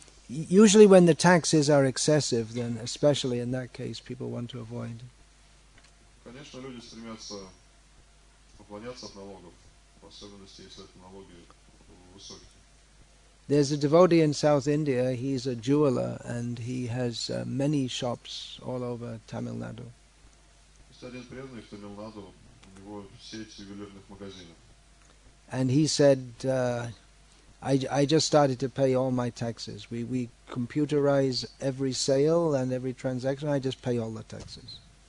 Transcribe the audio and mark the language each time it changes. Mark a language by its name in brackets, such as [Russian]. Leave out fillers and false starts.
[English] Usually when the taxes are excessive, then especially in that case, people want to avoid. [Russian] Конечно, люди стремятся уклоняться от налогов, в особенности, если это налоги высокие. [English] There's a devotee in South India, he's a jeweler, and he has many shops all over Tamil Nadu. [Russian] Есть один преданный в Tamil Nadu, у него сеть ювелирных магазинов. [English] And he said, I just started to pay all my taxes. We computerize every sale and every transaction, I just pay all the taxes.